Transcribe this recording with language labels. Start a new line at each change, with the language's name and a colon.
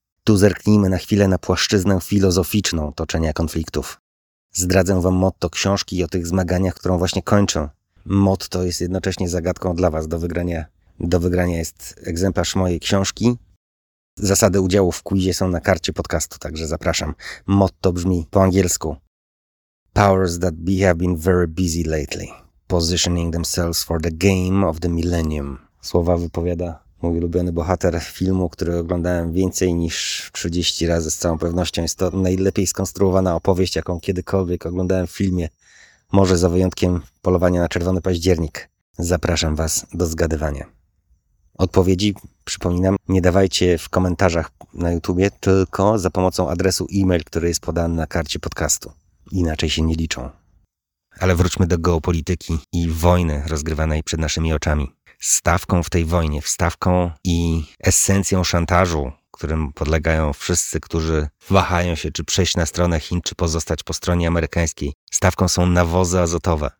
Polish: Tu zerknijmy na chwilę na płaszczyznę filozoficzną toczenia konfliktów. Zdradzę wam motto książki o tych zmaganiach, którą właśnie kończę. Motto jest jednocześnie zagadką dla was do wygrania. Do wygrania jest egzemplarz mojej książki. Zasady udziału w quizie są na karcie podcastu, także zapraszam. Motto brzmi po angielsku:
English: Powers that be have been very busy lately, positioning themselves for the game of the millennium.
Polish: Słowa wypowiada mój ulubiony bohater filmu, który oglądałem więcej niż 30 razy z całą pewnością. Jest to najlepiej skonstruowana opowieść, jaką kiedykolwiek oglądałem w filmie. Może za wyjątkiem Polowania na Czerwony Październik. Zapraszam was do zgadywania. Odpowiedzi, przypominam, nie dawajcie w komentarzach na YouTubie, tylko za pomocą adresu e-mail, który jest podany na karcie podcastu. Inaczej się nie liczą. Ale wróćmy do geopolityki i wojny rozgrywanej przed naszymi oczami. Stawką w tej wojnie, wstawką i esencją szantażu, którym podlegają wszyscy, którzy wahają się, czy przejść na stronę Chin, czy pozostać po stronie amerykańskiej, stawką są nawozy azotowe.